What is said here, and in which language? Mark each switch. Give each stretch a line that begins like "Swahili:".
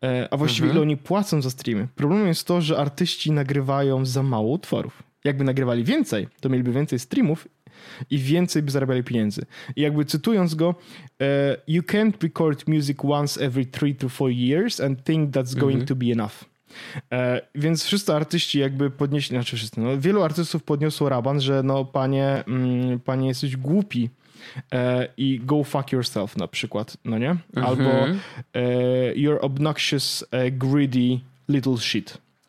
Polish: A właściwie ile oni płacą za streamy. Problemem jest to, że artyści nagrywają za mało utworów. Jakby nagrywali więcej, to mieliby więcej streamów i więcej by zarabiali pieniędzy. I jakby cytując go,
English: you can't record music once every 3 to 4 years and think that's going to be enough.
Polish: Więc wszyscy artyści jakby podnieśli, znaczy wszyscy, no, wielu artystów podniosło raban, że no panie jesteś głupi. I
English: go fuck yourself
Polish: na przykład, no nie? Albo
English: you're obnoxious, greedy, little shit.